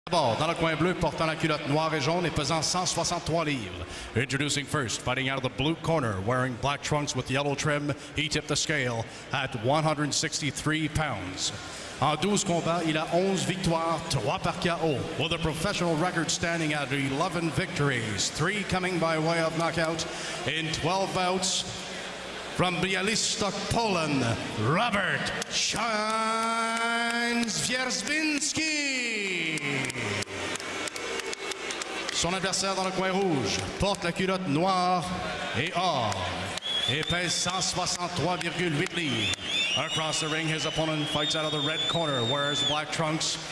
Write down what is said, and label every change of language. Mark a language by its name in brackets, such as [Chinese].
[French] bord, dans le coin bleu, portant la culotte noire et jaune et pesant 163 livres. [English] Introducing first, fighting out of the blue corner, wearing black trunks with yellow trim, he tipped the scale at 163 pounds. [French] En 12 combats, il a 11 victoires, 3 par KO. [English] With a professional record standing at 11 victories, 3 coming by way of knockout in 12 bouts, from Bialystok, Poland, Robert Swierzbinski. [French] Son adversaire dans le coin rouge porte la culotte noire et or et pèse 163,8 livres. [English] Across the ring, his opponent fights out of the red corner, wears black trunks.